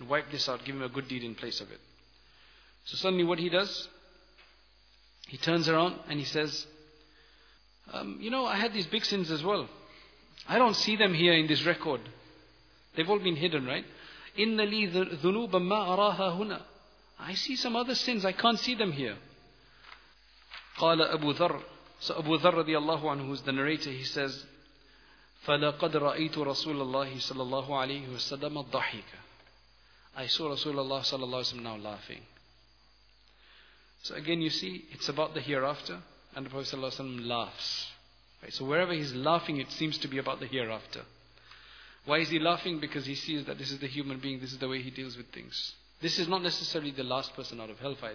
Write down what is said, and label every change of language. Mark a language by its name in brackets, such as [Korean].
[English] Wipe this out, give him a good deed in place of it. So suddenly what he does, he turns around and he says, you know, I had these big sins as well. I don't see them here in this record. They've all been hidden, right? [Arabic] إِنَّ لِي ذُنُوبًا مَا أَرَاهَا هُنَا. [English] I see some other sins, I can't see them here. [Arabic] قَالَ أَبُو ذَرَّ. [English] So Abu Dharr [Arabic] رضي الله عنه, [English] who's the narrator, he says, [Arabic] فَلَقَدْ رَأَيْتُ رَسُولَ اللَّهِ صَلَى اللَّهُ عَلَيْهُ وَسَلَّمَ الضَّحِيكَ. [English] I saw Rasulullah صلى الله عليه وسلم now laughing. So again, you see, it's about the hereafter, and the Prophet صلى الله عليه وسلم laughs. Right? So wherever he's laughing, it seems to be about the hereafter. Why is he laughing? Because he sees that this is the human being, this is the way he deals with things. This is not necessarily the last person out of hellfire.